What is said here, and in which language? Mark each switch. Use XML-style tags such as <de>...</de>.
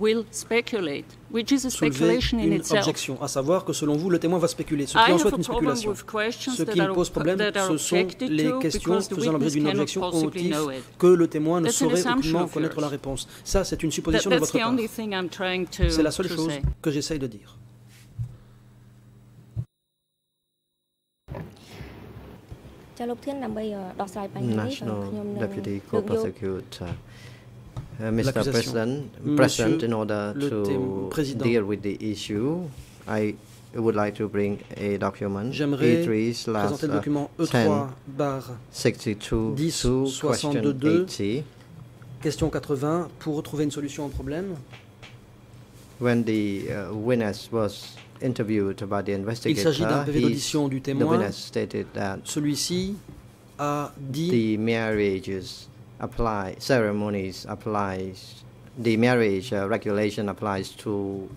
<en>will speculate, which is a speculation in itself.</en> <fr>Objection, à savoir que selon vous, le témoin va spéculer. Ce qui en soit une spéculation. Ce qui pose problème, ce sont les questions faisant l'objet d'une objection au motif que le témoin ne saurait aucunement connaître la réponse. Ça, c'est une supposition de votre part. C'est la seule chose que j'essaye de dire.</fr> <en>National Deputy Co-Prosecutor, Mr. President, present in order to deal with the issue, I would like to bring a document,</en> <fr>E3/10-62-80, question 80, pour trouver une solution au problème.</fr> <en>When the witness was interviewed by the investigator,</en> <fr>il s'agit d'un PV d'audition du témoin. Celui-ci a dit</fr> <en>the marriages apply, ceremonies applies, the marriage regulation applies to</en>